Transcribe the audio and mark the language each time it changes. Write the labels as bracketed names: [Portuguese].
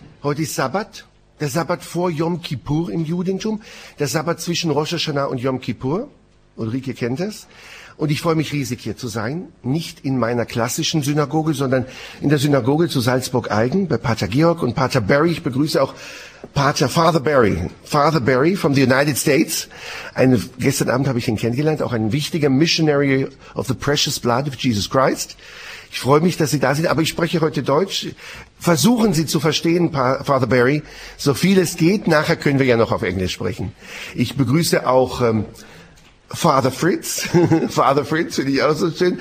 [German] Heute ist Sabbat, der Sabbat vor Yom Kippur im Judentum, der Sabbat zwischen Rosh Hashanah und Yom Kippur. Ulrike kennt es. Und ich freue mich riesig, hier zu sein. Nicht in meiner klassischen Synagoge, sondern in der Synagoge zu Salzburg-Aigen bei Pater Georg und Pater Barry. Ich begrüße auch Pater Father Barry. [English] Father Barry from the United States. [German] Gestern Abend habe ich ihn kennengelernt. Auch ein wichtiger Missionary of the Precious Blood of Jesus Christ. Ich freue mich, dass Sie da sind. Aber ich spreche heute Deutsch. Versuchen Sie zu verstehen, Father Barry, so viel es geht. Nachher können wir ja noch auf Englisch sprechen. Ich begrüße auch Father Fritz, Father Fritz, finde ich auch so schön.